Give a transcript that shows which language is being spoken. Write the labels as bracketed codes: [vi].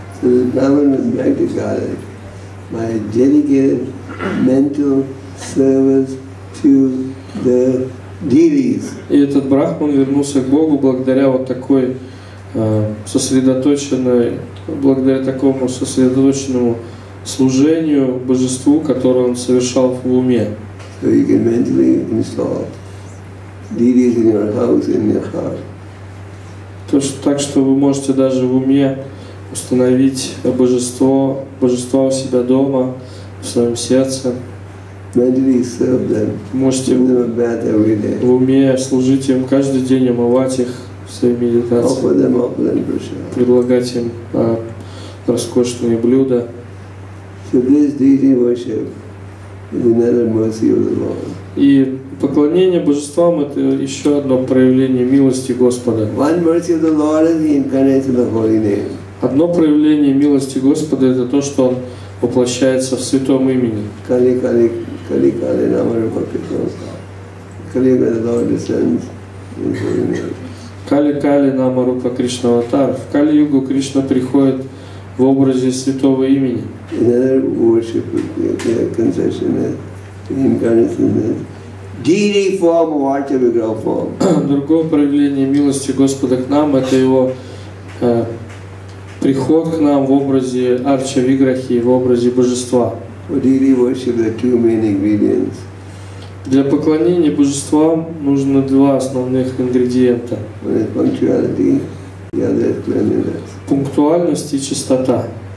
[ru] И этот Брахман вернулся к Богу благодаря вот такой сосредоточенной, благодаря такому сосредоточенному служению божеству, которое он совершал в уме. [en] So you can mentally install deities in your house, in your heart. [ru] То, что, так что вы можете даже в уме установить божество у себя дома, в своем сердце. [en] Mentally serve them. [ru] Можете в уме служить им каждый день, омывать их в своей медитации. [en] Offer them opulent prasad. [ru] Предлагать им роскошные блюда. [en] So this deity worship is another mercy of the Lord. [ru] И поклонение божествам — это еще одно проявление милости Господа. [en] One mercy of the Lord is the incarnation of the Holy Name. [ru] Одно проявление милости Господа — это то, что Он воплощается в Святом имени. [en] Kali kali kali kali namarupa Krishna. Kali kali the Lord descends in Holy Name. Kali kali namarupa Krishna avatar. [ru] В Кали-югу Кришна приходит в образе Святого имени. [en] Another worship, okay, concession is incarnation is deity form or archivigra form. [ru] Другое проявление милости Господа к нам — это его приход к нам в образе арчавиграхи, в образе божества. [en] For deity worship there are two main ingredients. [ru] Для поклонения божествам нужно два основных ингредиента. [en] One is punctuality. Yeah, [ru] пунктуальность и чистота.